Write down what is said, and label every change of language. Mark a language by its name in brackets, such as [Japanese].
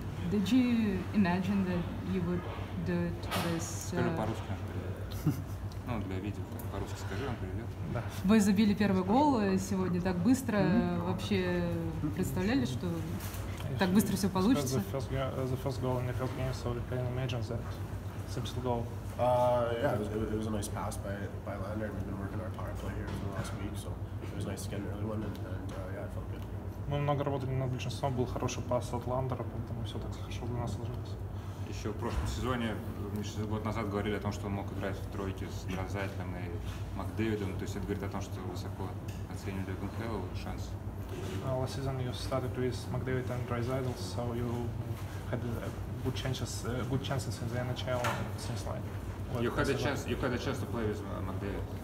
[English] Did you imagine that you would do it this? [Russian] Скажи по-русски. Ну, для видео по-русски скажи, он приведет. Да. Вы забили первый гол сегодня так быстро. Вообще представляли, что так быстро все получится? [English] The first goal in the first game, so can you imagine that? Simple goal. Yeah, it was a nice pass by Lander. We've been working our power play here for the last week, so it was nice to get an early one, and yeah, it felt good. [Russian] Мы много работали над большинством, был хороший пас от Ландера, поэтому все так хорошо для нас сложилось. Еще в прошлом сезоне, еще год назад говорили о том, что он мог играть в тройке с Дрозайтлем и МакДэвидом, то есть это говорит о том, что высоко оценили Гунхэлл шанс. [English] Last season you started with McDavid and Dreisaitl, so you had good chances in the NHL since like. You had a chance to play with McDavid.